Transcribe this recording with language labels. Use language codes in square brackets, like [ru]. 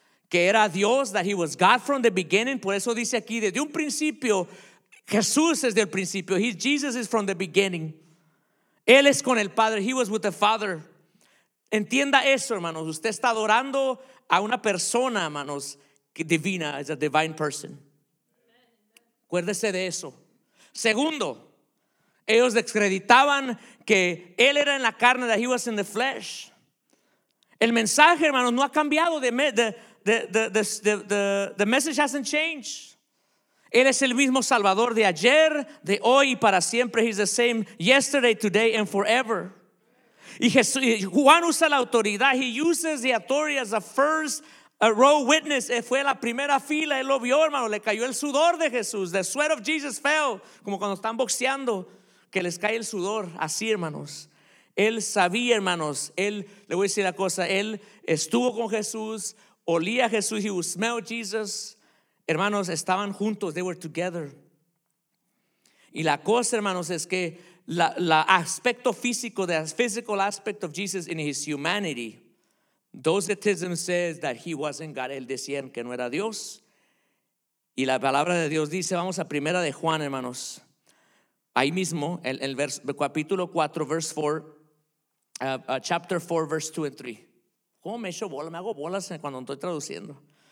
[es] Que era Dios, [en] that he was God from the beginning. [es] Por eso dice aquí, desde un principio, Jesús es del principio. [en] Jesus is from the beginning. [es] Él es con el Padre. [en] He was with the Father. [es] Entienda eso, hermanos. Usted está adorando a una persona, hermanos, divina, [en] is a divine person. [es] Acuérdese de eso. Segundo, ellos descreditaban que Él era en la carne, [en] that he was in the flesh. [es] El mensaje, hermanos, no ha cambiado. [en] The message hasn't changed. [es] Él es el mismo Salvador de ayer, de hoy y para siempre. [en] He's the same yesterday, today and forever. [es] Y Jesús, Juan usa la autoridad. [en] He uses the authority as a first row witness. [es] Él fue la primera fila, él lo vio, hermano. Le cayó el sudor de Jesús. [en] The sweat of Jesus fell. [es] Como cuando están boxeando, que les cae el sudor. Así, hermanos. Él sabía, hermanos. Él, le voy a decir la cosa. Él estuvo con Jesús, olía a Jesús. [en] He smelled Jesus. [es] Hermanos, estaban juntos. [en] They were together. [es] Y la cosa, hermanos, es que la aspecto físico, [en] the physical aspect of Jesus in his humanity, those theism says that he wasn't God. [es] Él decían que no era Dios. Y la palabra de Dios dice, vamos a primera de Juan, hermanos. Ahí mismo, el verso, capítulo 4, verse 4, [en] chapter 4, verse 2 and 3. [es] ¿Cómo me echo bola? Me hago bolas cuando estoy traduciendo.